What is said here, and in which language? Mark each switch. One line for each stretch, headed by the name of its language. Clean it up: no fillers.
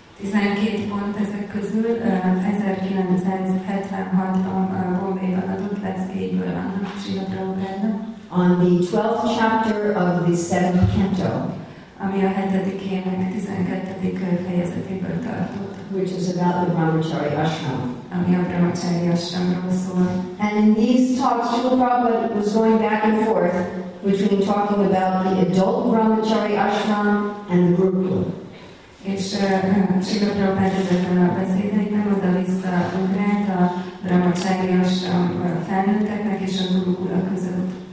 Hungarian: 12 pont ezek közül 1976-ban Bombayban adott leckéből a Srila Prabhupada.
English: On the 12th chapter of the 7th canto,
Hungarian: ami a 7. énnek 12. fejezetéből tartott,
English: which is about the Brahmachari Ashram.
Hungarian: Ami a Brahmachari Ashramról szól.
English: And in these talks, Srila Prabhupada was going back and forth between talking about the adult Brahmachari Ashram and the Gurukul.
Hungarian: És Srila Prabhupada ezekben a beszédeiben oda-vissza ugrált a Brahmachari Ashram felnőtteknek és a Gurukula között.